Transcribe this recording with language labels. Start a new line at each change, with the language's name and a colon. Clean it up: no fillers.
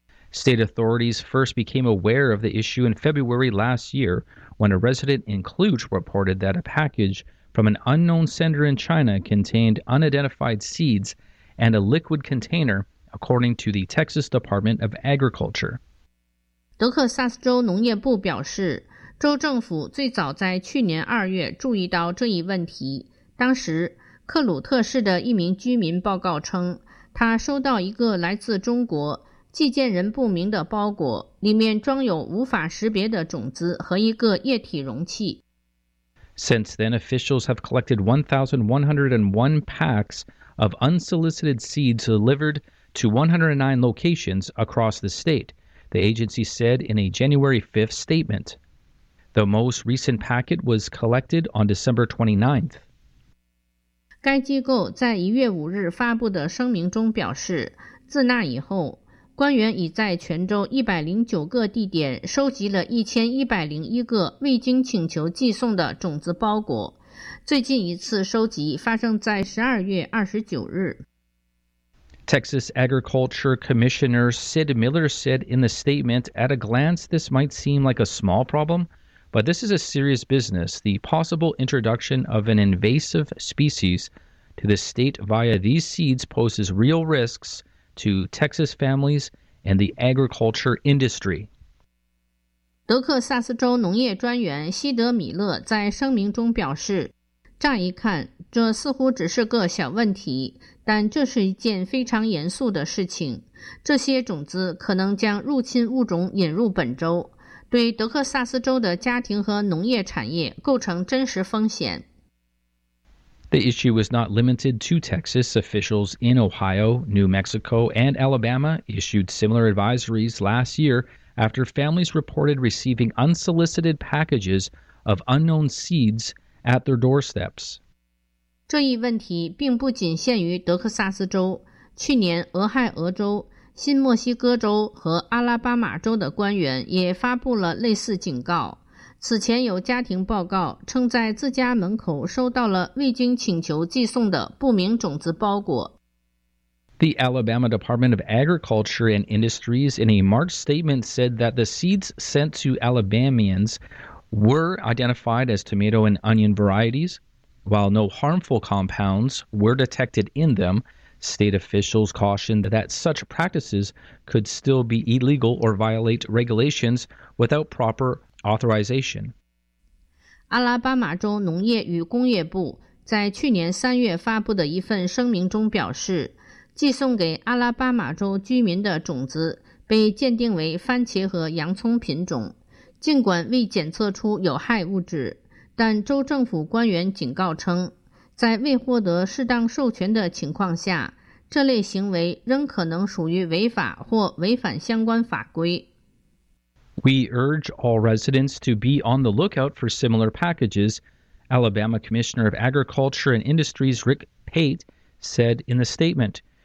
English: State authorities first became aware of the issue in February last year when a resident in Cluj reported that a package from an unknown sender in China contained unidentified seeds and a liquid container, according to the Texas Department of Agriculture.
Chinese: 德克萨斯州农业部表示，州政府最早在去年二月注意到这一问题。当时，克鲁特市的一名居民报告称，他收到一个来自中国寄件人不明的包裹，里面装有无法识别的种子和一个液体容器。
English: Since then, officials have collected 1,101 packs of unsolicited seeds delivered to 109 locations across the state, the agency said in a January 5th statement. The most recent packet was collected on December 29th.
Chinese: 该机构在1月5日发布的声明中表示，自那以后，官员已在全州109个地点收集了1101个未经请求寄送的种子包裹。最近一次收集发生在12月29日。
English: Texas Agriculture Commissioner Sid Miller said in the statement, at a glance, this might seem like a small problem, but this is a serious business. The possible introduction of an invasive species to the state via these seeds poses real risks. To Texas families and the agriculture industry.
Chinese: 德克萨斯州农业专员西德米勒在声明中表示，乍一看，这似乎只是个小问题，但这是一件非常严肃的事情。这些种子可能将入侵物种引入本州，对德克萨斯州的家庭和农业产业构成真实风险。
English: The issue was not limited to Texas. Officials in Ohio, New Mexico, and Alabama issued similar advisories last year after families reported receiving unsolicited packages of unknown seeds at their doorsteps.
Chinese: 这一问题并不仅限于德克萨斯州。去年，俄亥俄州、新墨西哥州和阿拉巴马州的官员也发布了类似警告。此前有家庭报告称在自家门口收到了未经请求寄送的不明种子包裹。
English: The Alabama Department of Agriculture and Industries in a March statement said that the seeds sent to Alabamians were identified as tomato and onion varieties. While no harmful compounds were detected in them, state officials cautioned that such practices could still be illegal or violate regulations without proper authorization.
Chinese: 阿拉巴马州农业与工业部在去年三月发布的一份声明中表示，寄送给阿拉巴马州居民的种子被鉴定为番茄和洋葱品种，尽管未检测出有害物质，但州政府官员警告称，在未获得适当授权的情况下，这类行为仍可能属于违法或违反相关法规。
English: We urge all residents to be on the lookout for similar packages, Alabama Commissioner of Agriculture and Industries Rick Pate said in the statement.